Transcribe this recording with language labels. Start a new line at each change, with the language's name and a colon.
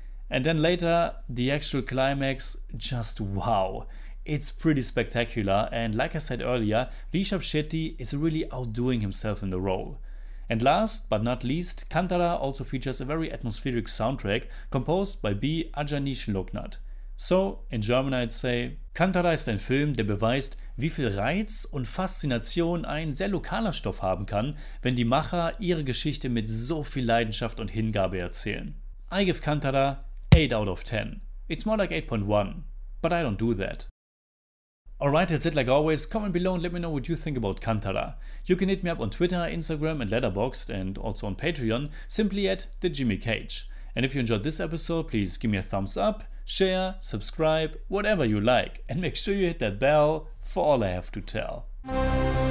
English: And then later, the actual climax, just wow. It's pretty spectacular, and like I said earlier, Rishab Shetty is really outdoing himself in the role. And last but not least, Kantara also features a very atmospheric soundtrack composed by B. Ajanish Loknath. So, in German I'd say,
German: Kantara ist ein Film, der beweist, wie viel Reiz und Faszination ein sehr lokaler Stoff haben kann, wenn die Macher ihre Geschichte mit so viel Leidenschaft und Hingabe erzählen.
English: I give Kantara 8 out of 10. It's more like 8.1, but I don't do that. Alright, that's it like always. Comment below and let me know what you think about Kantara. You can hit me up on Twitter, Instagram and Letterboxd and also on Patreon simply at The Jimmy Cage. And if you enjoyed this episode, please give me a thumbs up, share, subscribe, whatever you like. And make sure you hit that bell for all I have to tell.